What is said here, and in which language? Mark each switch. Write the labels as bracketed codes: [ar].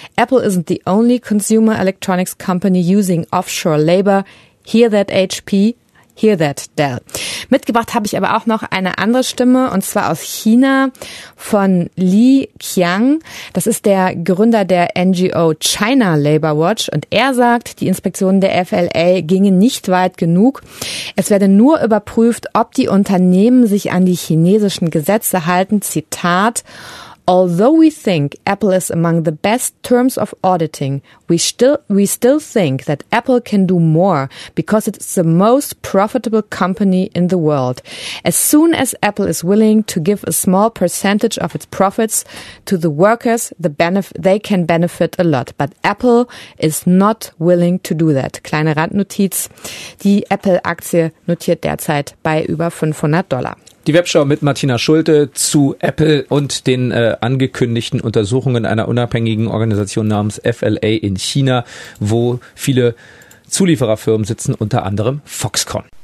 [en] Apple isn't the only consumer electronics company using offshore labor. Hear that, HP? Hear that, Dell." [de] Mitgebracht habe ich aber auch noch eine andere Stimme, und zwar aus China, von Li Qiang. Das ist der Gründer der NGO China Labor Watch, und er sagt, die Inspektionen der FLA gingen nicht weit genug. Es werde nur überprüft, ob die Unternehmen sich an die chinesischen Gesetze halten. [en] Zitat: "Although we think Apple is among the best terms of auditing, we still think that Apple can do more because it's the most profitable company in the world. As soon as Apple is willing to give a small percentage of its profits to the workers, they can benefit a lot. But Apple is not willing to do that." [de] Kleine Randnotiz: Die Apple-Aktie notiert derzeit bei über $500. Die Webschau mit Martina Schulte zu Apple und den angekündigten Untersuchungen einer unabhängigen Organisation namens FLA in China, wo viele Zuliefererfirmen sitzen, unter anderem Foxconn.